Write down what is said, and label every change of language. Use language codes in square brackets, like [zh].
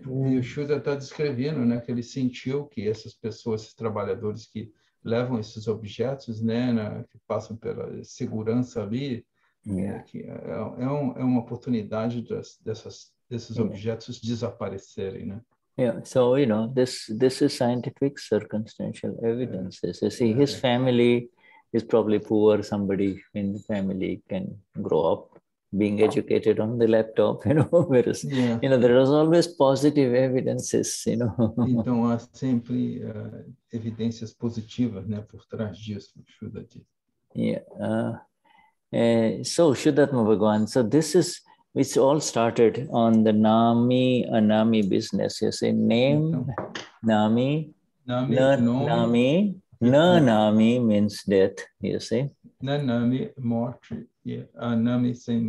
[pt] E o Shuddha está descrevendo, né, que ele sentiu que essas pessoas, esses trabalhadores que levam esses objetos, né, que passam pela segurança ali, é uma oportunidade desses objetos desaparecerem, né? [en] Yeah, so you know, this is scientific circumstantial evidence. You see, his family is probably poor. Somebody in the family can grow up being educated on the laptop, you know, whereas, you know, there is always positive evidences, you know. [pt] Então, há sempre evidências positivas, né, por trás disso, Shuddha diz. [en] So, Vishuddhatma Bhagavan, so this is, it's all started on the Nami, Anami business. You say name, [pt] então, [en] Nami, Nami, Nanami means death, you say. Nanami, mort. Nami, same